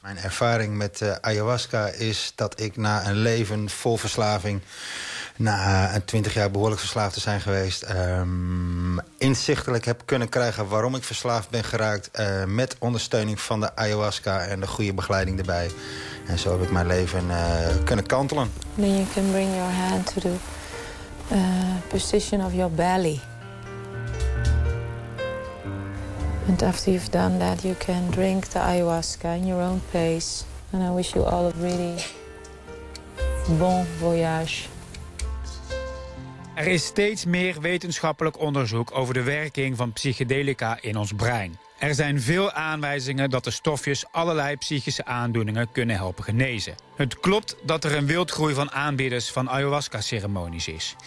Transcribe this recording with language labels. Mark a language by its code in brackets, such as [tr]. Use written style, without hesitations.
[nl] Mijn ervaring met ayahuasca is dat ik na een leven vol verslaving, na 20 jaar behoorlijk verslaafd te zijn geweest, inzichtelijk heb kunnen krijgen waarom ik verslaafd ben geraakt, met ondersteuning van de ayahuasca en de goede begeleiding erbij. En zo heb ik mijn leven kunnen kantelen. [en] Then you can bring your hand to the position of your belly. And after you've done that, you can drink the ayahuasca in your own pace. And I wish you all a really bon voyage. [nl] Er is steeds meer wetenschappelijk onderzoek over de werking van psychedelica in ons brein. Er zijn veel aanwijzingen dat de stofjes allerlei psychische aandoeningen kunnen helpen genezen. Het klopt dat er een wildgroei van aanbieders van ayahuasca-ceremonies is.